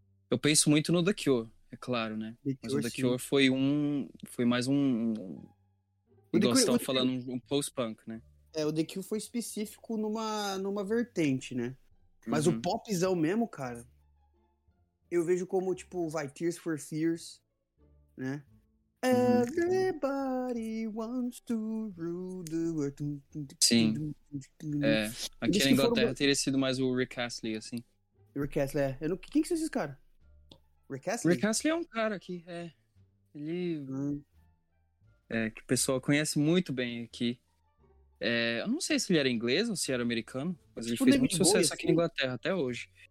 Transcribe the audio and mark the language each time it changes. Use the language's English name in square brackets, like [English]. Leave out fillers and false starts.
[Portuguese] Eu penso muito no The Cure, é claro, né? Mas o The Cure foi um... Foi mais um... Igual você tava falando, um post-punk, né? É, o The Cure foi específico numa vertente, né? Mas uhum. O popzão mesmo, cara, eu vejo como, tipo, vai Tears for Fears, né? Uhum. [English] Everybody wants to rule the world. [Portuguese] Sim. É. Aqui na Inglaterra teria sido mais o Rick Astley, assim. Rick Astley, é. Eu não... Quem que são esses caras? Rick Astley? Rick Astley é um cara aqui, é. Ele... Uhum. É, que o pessoal conhece muito bem aqui. É, eu não sei se ele era inglês ou se era americano, mas tipo ele fez muito sucesso aqui na Inglaterra até hoje.